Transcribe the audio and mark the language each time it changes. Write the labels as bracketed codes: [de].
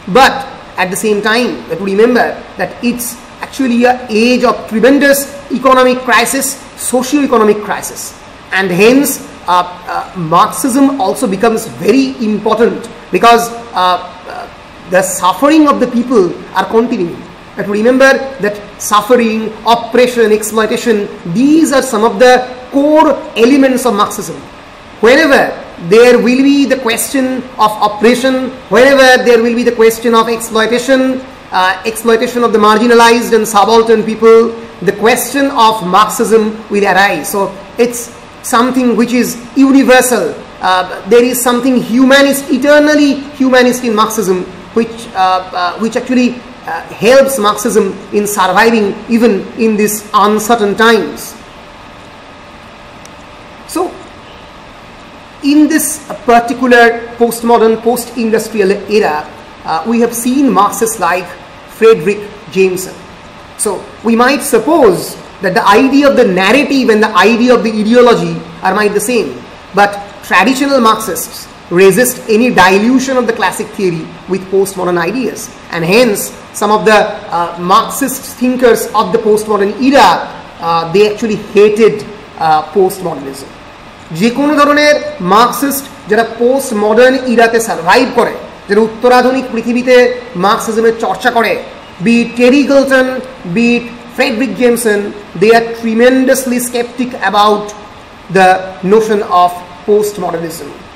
[en] But at the same time to remember that it's actually a age of tremendous economic crisis, social economic crisis, and hence Marxism also becomes very important because the suffering of the people are continue. To remember that suffering, oppression, exploitation, these are some of the core elements of Marxism. Wherever there will be the question of oppression, wherever there will be the question of exploitation, exploitation of the marginalized and subaltern people, the question of Marxism will arise. So it's something which is universal. There is something humanist, eternally humanist in Marxism, which actually helps Marxism in surviving even in these uncertain times. So in this particular postmodern, post-industrial era, we have seen Marxists like Fredric Jameson. So we might suppose that the idea of the narrative and the idea of the ideology are might the same, but traditional Marxists resist any dilution of the classic theory with postmodern ideas, and hence some of the Marxist thinkers of the postmodern era, they actually hated postmodernism. [bn] যে কোনো ধরনের Marxist যারা post modern ইরাতে survive করে, যারা উত্তরাধুনিক পৃথিবীতে মার্ক্সিজমের চর্চা করে, bit টেরিগলটন, bit Friedrich Jameson, [en] They are tremendously sceptic about the notion of post modernism.